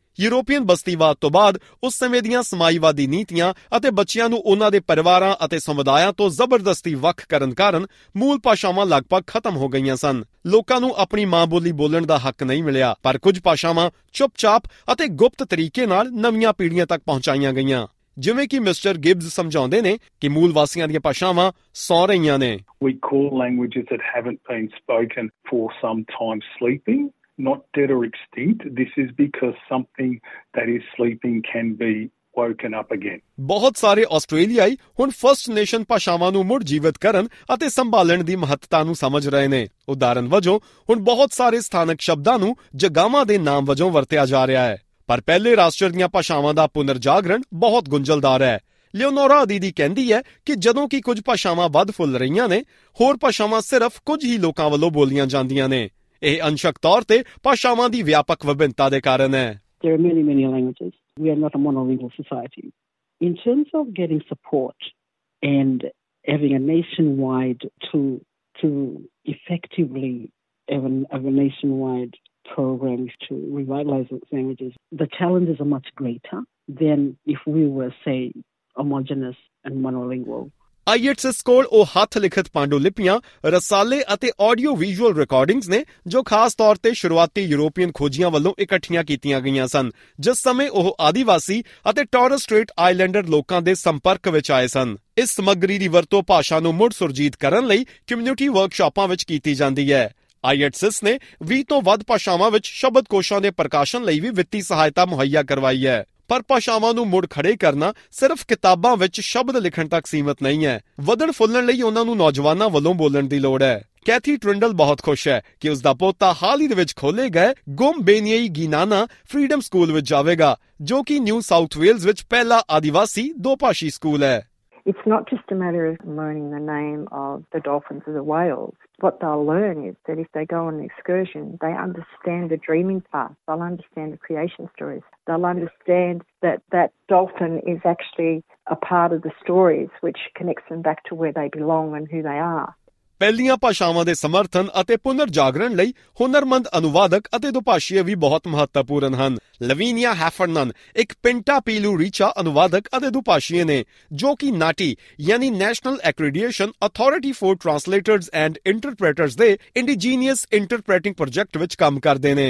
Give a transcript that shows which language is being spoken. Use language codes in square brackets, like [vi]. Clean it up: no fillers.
[pa] European ਬਸਤੀਵਾਦ ਤੋਂ ਬਾਅਦ ਉਸ ਸਮੇਂ ਦੀਆਂ ਸਮਾਜਵਾਦੀ ਨੀਤੀਆਂ ਅਤੇ ਬੱਚਿਆਂ ਨੂੰ ਉਨ੍ਹਾਂ ਦੇ ਪਰਿਵਾਰਾਂ ਅਤੇ ਸਮੁਦਾਇਆਂ ਤੋਂ ਜ਼ਬਰਦਸਤੀ ਵੱਖ ਕਰਨ ਕਾਰਨ ਮੂਲ ਭਾਸ਼ਾਵਾਂ ਲਗਭਗ ਖਤਮ ਹੋ ਗਈਆਂ ਸਨ। ਲੋਕਾਂ ਨੂੰ ਆਪਣੀ ਮਾਂ ਬੋਲੀ ਬੋਲਣ ਦਾ ਹੱਕ ਨਹੀਂ ਮਿਲਿਆ, ਪਰ ਕੁਝ ਭਾਸ਼ਾਵਾਂ ਚੁੱਪ ਚਾਪ ਅਤੇ ਗੁਪਤ ਤਰੀਕੇ ਨਾਲ ਨਵੀਆਂ ਪੀੜ੍ਹੀਆਂ ਤੱਕ ਪਹੁੰਚਾਈਆਂ ਗਈਆਂ। ਜਿਵੇਂ ਕਿ ਮਿਸਟਰ ਗਿਬਸ ਸਮਝਾਉਂਦੇ ਨੇ ਕਿ ਮੂਲ ਵਾਸੀਆਂ ਦੀਆਂ ਭਾਸ਼ਾਵਾਂ ਸੌਂ ਰਹੀਆਂ ਨੇ। [en] We call languages that haven't been spoken for some time sleeping. Not dead or extinct, this is because something that is sleeping can be woken up again. [pa] ਬਹੁਤ ਸਾਰੇ ਆਸਟ੍ਰੇਲੀਆਈ ਹੁਣ ਫਸਟ ਨੇਸ਼ਨ ਭਾਸ਼ਾਵਾਂ ਨੂੰ ਮੁੜ ਜੀਵਿਤ ਕਰਨ ਅਤੇ ਸੰਭਾਲਣ ਦੀ ਮਹੱਤਤਾ ਨੂੰ ਸਮਝ ਰਹੇ ਨੇ। ਉਦਾਹਰਨ ਵਜੋਂ ਹੁਣ ਬਹੁਤ ਸਾਰੇ ਸਥਾਨਕ ਸ਼ਬਦਾਂ ਨੂੰ ਜਗਾਵਾਂ ਦੇ ਨਾਮ ਵਜੋਂ ਵਰਤਿਆ ਜਾ ਰਿਹਾ ਹੈ, ਪਰ ਪਹਿਲੇ ਰਾਸ਼ਟਰ ਦੀਆਂ ਭਾਸ਼ਾਵਾਂ ਦਾ ਪੁਨਰ ਜਾਗਰਣ ਬਹੁਤ ਗੁੰਝਲਦਾਰ ਹੈ। ਲਿਓਨੋਰਾ ਦੀਦੀ ਕਹਿੰਦੀ ਹੈ ਕਿ ਜਦੋਂ ਕਿ ਕੁਝ ਭਾਸ਼ਾਵਾਂ ਵੱਧ ਫੁੱਲ ਰਹੀਆਂ ਨੇ, ਹੋਰ ਭਾਸ਼ਾਵਾਂ ਸਿਰਫ ਕੁਝ ਹੀ ਲੋਕਾਂ ਵੱਲੋਂ ਬੋਲੀਆਂ ਜਾਂਦੀਆਂ ਨੇ। ਇਹ ਅੰਸ਼ਕ ਤੌਰ ਤੇ ਭਾਸ਼ਾਵਾਂ ਦੀ ਵਿਆਪਕ ਵਿਭਿੰਨਤਾ ਦੇ ਕਾਰਨ ਹੈ। [en] There are many, many languages. We are not a monolingual society. In terms of getting support and having a nationwide to effectively have a nationwide program to revitalize languages, the challenges are much greater than if we were, say, homogenous and monolingual. [pa] IELTS ਕੋਲ ਉਹ ਹੱਥ ਲਿਖਤ ਪਾਂਡੂਲਿਪੀਆਂ, ਰਸਾਲੇ ਅਤੇ audio visual recordings ਨੇ ਜੋ ਖਾਸ ਤੌਰ ਤੇ ਸ਼ੁਰੂਆਤੀ ਯੂਰੋਪੀਅਨ ਖੋਜੀਆਂ ਵੱਲੋਂ ਇਕੱਠੀਆਂ ਕੀਤੀਆਂ ਗਈਆਂ ਸਨ, ਜਿਸ ਸਮੇਂ ਉਹ ਆਦੀਵਾਸੀ ਅਤੇ ਟੌਰਸ ਸਟ੍ਰੇਟ ਆਈਲੈਂਡਰ ਲੋਕਾਂ ਦੇ ਸੰਪਰਕ ਵਿੱਚ ਆਏ ਸਨ। ਇਸ ਸਮੱਗਰੀ ਦੀ ਵਰਤੋਂ ਭਾਸ਼ਾ ਨੂੰ ਮੁੜ ਸੁਰਜੀਤ ਕਰਨ ਲਈ ਕਮਿਊਨਿਟੀ ਵਰਕਸ਼ਾਪਾਂ ਵਿੱਚ ਕੀਤੀ ਜਾਂਦੀ ਹੈ। IELTS ਨੇ 20 ਤੋਂ ਵੱਧ ਭਾਸ਼ਾਵਾਂ ਵਿੱਚ ਸ਼ਬਦ ਕੋਸ਼ਾਂ ਦੇ ਪ੍ਰਕਾਸ਼ਨ ਲਈ ਵੀ ਵਿੱਤੀ ਸਹਾਇਤਾ ਮੁਹੱਈਆ ਕਰਵਾਈ ਹੈ। ਪਰ ਭਾਸ਼ਾਵਾਂ ਨੂੰ ਮੁੜ ਖੜੇ ਕਰਨਾ ਸਿਰਫ ਕਿਤਾਬਾਂ ਵਿੱਚ ਸ਼ਬਦ ਲਿਖਣ ਤੱਕ ਸੀਮਿਤ ਨਹੀਂ ਹੈ, ਵਧਣ ਫੁੱਲਣ ਲਈ ਉਹਨਾਂ ਨੂੰ ਨੌਜਵਾਨਾਂ ਵੱਲੋਂ ਬੋਲਣ ਦੀ ਲੋੜ ਹੈ। ਕੈਥੀ ਟ੍ਰਿੰਡਲ ਬਹੁਤ ਖੁਸ਼ ਹੈ ਕਿ ਉਸਦਾ ਪੋਤਾ ਹਾਲ ਹੀ ਦੇ ਵਿੱਚ ਖੋਲੇ ਗਏ ਗੁਮ ਬੇਨੀਏ ਗਿਨਾਨਾ ਫਰੀਡਮ ਸਕੂਲ ਵਿੱਚ ਜਾਵੇਗਾ, ਜੋ ਕਿ ਨਿਊ ਸਾਊਥ ਵੇਲਸ ਵਿੱਚ ਪਹਿਲਾ ਆਦੀਵਾਸੀ ਦੋ ਭਾਸ਼ੀ ਸਕੂਲ ਹੈ। [en] It's not just a matter of learning the name of the dolphins or the whales. What they'll learn is that if they go on an excursion, they understand the dreaming path. They'll understand the creation stories. They'll understand that that dolphin is actually a part of the stories which connects them back to where they belong and who they are. [pa] ਪਹਿਲੀਆਂ ਭਾਸ਼ਾਵਾਂ ਦੇ ਸਮਰਥਨ ਅਤੇ ਪੁਨਰ ਜਾਗਰਣ ਲਈ ਹੁਨਰਮੰਦ ਅਨੁਵਾਦਕ ਅਤੇ ਦੁਭਾਸ਼ੀਏ ਵੀ ਬਹੁਤ ਮਹੱਤਵਪੂਰਨ ਹਨ। ਲਵੀਨੀਆ ਹੈਫਰਨਨ ਇੱਕ ਪਿੰਟਾ ਪੀਲੂ ਰੀਚਾ ਅਨੁਵਾਦਕ ਅਤੇ ਦੁਭਾਸ਼ੀਏ ਨੇ, ਜੋ ਕਿ ਨਾਟੀ ਯਾਨੀ ਨੈਸ਼ਨਲ ਐਕਰੀਡੀਏਸ਼ਨ ਅਥਾਰਿਟੀ ਫਾਰ ਟ੍ਰਾਂਸਲੇਟਰਸ ਐਂਡ ਇੰਟਰਪ੍ਰੇਟਰਸ ਦੇ ਇੰਡੀਜੀਨੀਅਸ ਇੰਟਰਪ੍ਰੇਟਿੰਗ ਪ੍ਰੋਜੈਕਟ ਵਿੱਚ ਕੰਮ ਕਰਦੇ ਨੇ।